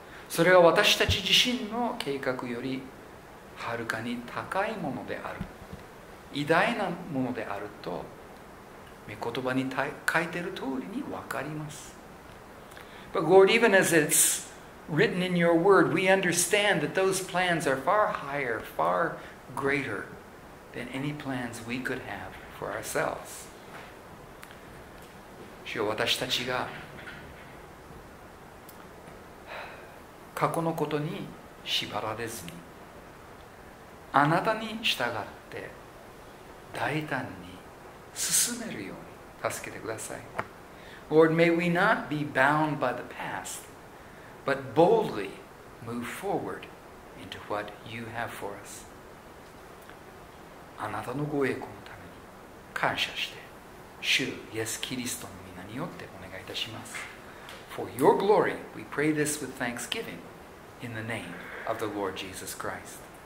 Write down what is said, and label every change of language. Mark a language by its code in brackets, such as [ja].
[ja] それは私たち自身の計画よりはるかに高いものである、偉大なものであると御言葉に書いている通りに分かります。 [en] But Lord, even as it's written in your word, we understand that those plans are far higher, far greater than any plans we could have for ourselves. [ja] 主よ、私たちが過去のことに縛られずに、あなたに従って大胆に進めるように助けてください。 [en] Lord, may we not be bound by the past, but boldly move forward into what you have for us. [ja] あなたのご栄光のために感謝して、主イエス・キリストの御名によってお願いいたします。 [en] For your glory, we pray this with thanksgiving in the name of the Lord Jesus Christ.